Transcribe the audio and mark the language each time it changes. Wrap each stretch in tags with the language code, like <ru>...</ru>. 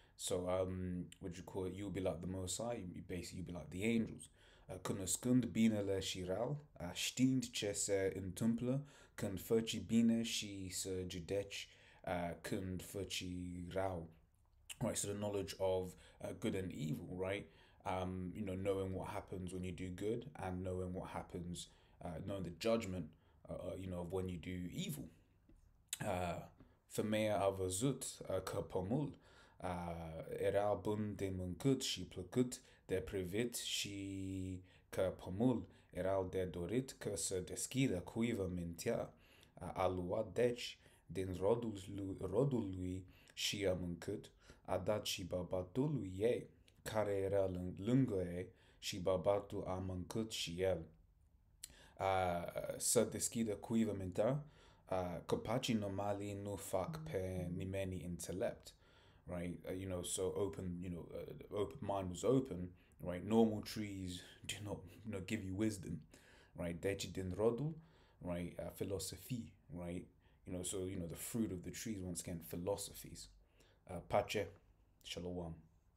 <en>So, you'll be like the Most High, you'll be like the angels.</en> <ro>Cunoscând binele și rău, știind ce se întâmplă, când faci bine și să judeci, când faci rău.</ro> <en>Right, so the knowledge of good and evil, right? Knowing what happens when you do good and knowing what happens, knowing the judgment, of when you do evil.</en> <ro>Femeia a văzut că pomul era bun de mâncât și plăcut de privit și că pomul era de dorit că se deschidă cuiva mintea. A luat deci din rodul lui și a mâncât, a dat și bărbatului ei care era lângă ei și bărbatul a mâncât și el. Să deschidă cuiva mintea, copacii normali nu fac pe nimeni intelept.</ro> <en>right? So open, open mind was open, right? Normal trees do not, give you wisdom, right?</en> <ro>Deci din rodul,</ro> <en>right? Philosophy, right? So the fruit of the trees once again, philosophies, pace, shalom.</en>